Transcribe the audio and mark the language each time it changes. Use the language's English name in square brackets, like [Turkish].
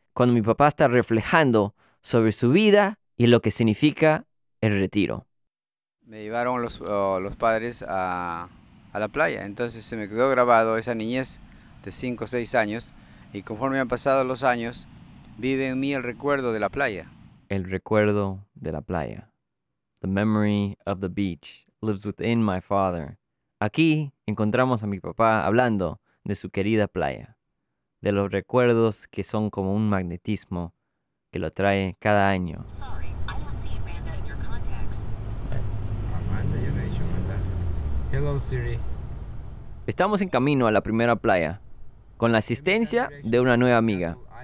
[Spanish] Cuando mi papá está reflejando sobre su vida y lo que significa el retiro. Me llevaron los padres a la playa. Entonces se me quedó grabado esa niñez de 5 o 6 años. Y conforme han pasado los años, vive en mí el recuerdo de la playa. El recuerdo de la playa. [English] The memory of the beach lives within my father. [Spanish] Aquí encontramos a mi papá hablando de su querida playa, de los recuerdos que son como un magnetismo que lo trae cada año. [English] Sorry, I don't see Amanda in your contacts. [Spanish] Amanda, yo no he dicho Amanda. [English] Hello, Siri. [Spanish] Estamos en camino a la primera playa con la asistencia de una nueva amiga.